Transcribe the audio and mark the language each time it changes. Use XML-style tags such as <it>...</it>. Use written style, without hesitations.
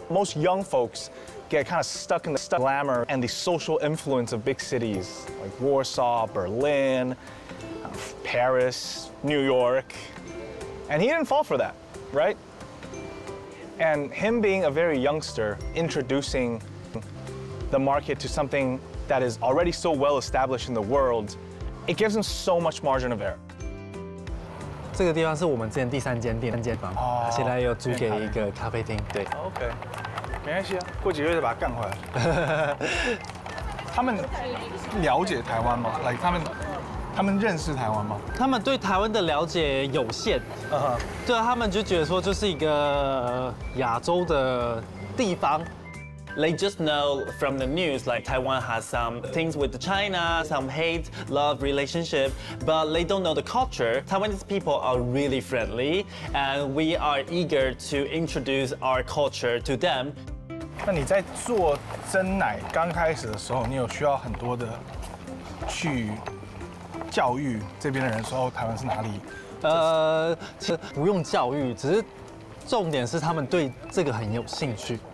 <en>Most young folks get kind of stuck in the glamour and the social influence of big cities like Warsaw, Berlin, Paris, New York. And he didn't fall for that, right? And him being a very youngster, introducing the market to something that is already so well established in the world, it gives him so much margin of error.</en> <zh>这个地方是我们之前第三间店，现在又租给一个咖啡厅。对。OK，没关系啊，过几个月就把它干回来。他们了解台湾吗？Like 他们他们认识台湾吗？他们对台湾的了解有限。对啊，他们就觉得说就是一个亚洲的地方。</zh> <en>They just know from the news, like Taiwan has some things with China, some hate, love relationship, but they don't know the culture. Taiwanese people are really friendly, and we are eager to introduce our culture to them.</en> <zh>那你在做蒸奶刚开始的时候，你有需要很多的去教育这边的人说台湾是哪里？其实不用教育，只是重点是他们对这个很有兴趣。</zh>